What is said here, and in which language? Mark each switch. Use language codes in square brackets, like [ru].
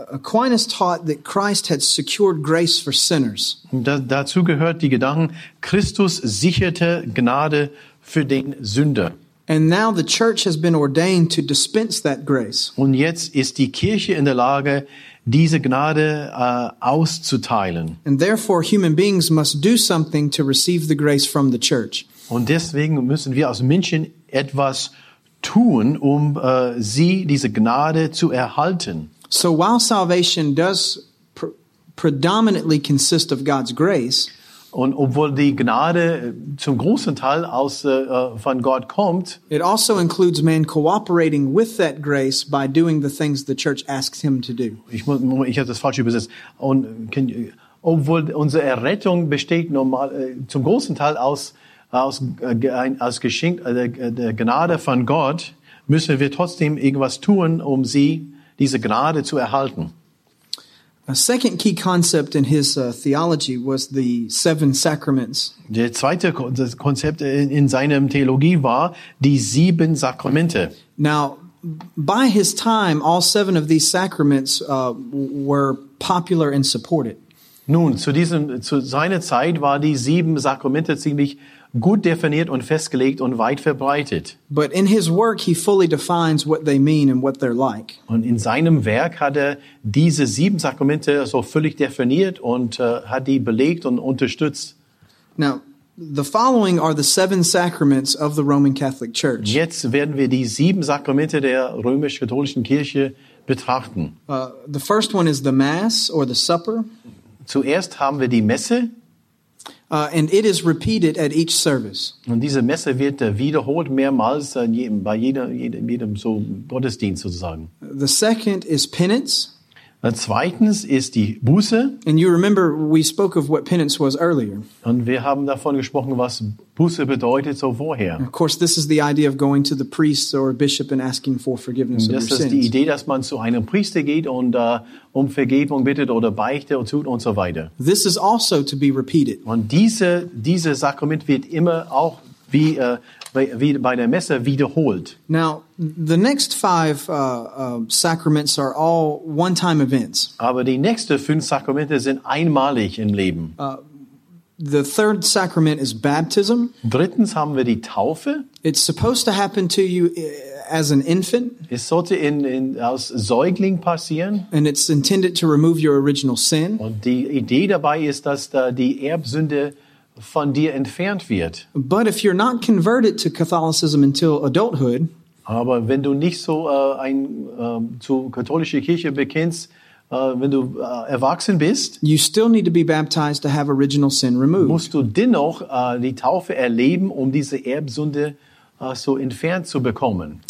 [en] Aquinas taught that Christ had secured grace for sinners. [de] Dazu gehört die Gedanken, Christus sicherte Gnade für den Sünder. [en] And now the church has been ordained to dispense that grace. [de] Und jetzt ist die Kirche in der Lage, diese Gnade auszuteilen. [en] And therefore human beings must do something to receive the grace from the church. [de] Und deswegen müssen wir als Menschen etwas tun, sie diese Gnade zu erhalten. [en] So while salvation does predominantly consist of God's grace, [de] und obwohl die Gnade zum großen Teil aus von Gott kommt, [en] it also includes man cooperating with that grace by doing the things the church asks him to do. [de] Ich habe das falsch übersetzt. Obwohl unsere Errettung besteht zum großen Teil aus der Gnade von Gott, müssen wir trotzdem irgendwas tun, um sie, diese Gnade zu erhalten. [en] A second key concept in his theology was the seven sacraments. [de] Der zweite Konzept in seinem Theologie war die sieben Sakramente. [en] Now, by his time, all seven of these sacraments were popular and supported. [de] Nun, zu seiner Zeit war die sieben Sakramente ziemlich gut definiert und festgelegt und weit verbreitet. [en] But in his work he fully defines what they mean and what they're like. [de] Und in seinem Werk hat er diese sieben Sakramente so völlig definiert und hat die belegt und unterstützt. [en] Now, the following are the seven sacraments of the Roman Catholic Church. [de] Jetzt werden wir die sieben Sakramente der römisch-katholischen Kirche betrachten. [en] The first one is the Mass or the Supper. [de] Zuerst haben wir die Messe. [en] And it is repeated at each service. [de] Und diese Messe wird wiederholt mehrmals bei jedem so Gottesdienst sozusagen. [en] The second is penance. [de] Und zweitens ist die Buße. [en] And you remember we spoke of what penance was earlier. [de] Und wir haben davon gesprochen, was Buße bedeutet so vorher. [en] Of course, this is the idea of going to the priest or bishop and asking for forgiveness of your sins. [de] Das ist die Idee, dass man zu einem Priester geht und um Vergebung bittet oder Beichte tut und so weiter. [en] This is also to be repeated. [de] Und diese Sakrament wird immer auch wie bei der Messe wiederholt. [en] Now, the next five sacraments are all one-time events. [de] Aber die nächsten fünf Sakramente sind einmalig im Leben. [en] The third sacrament is baptism. [de] Drittens haben wir die Taufe. [en] It's supposed to happen to you as an infant. [de] Es sollte in als Säugling passieren. [en] And it's intended to remove your original sin. [de] Und die Idee dabei ist, dass da die Erbsünde von dir entfernt wird. [en] But if you're not converted to Catholicism until adulthood, [de] aber wenn du nicht so zu katholischer Kirche bekennst, wenn du erwachsen bist, [en] you still need to be baptized to have original sin removed. [de] Musst du dennoch die Taufe erleben, um diese Erbsünde so entfernt zu bekommen.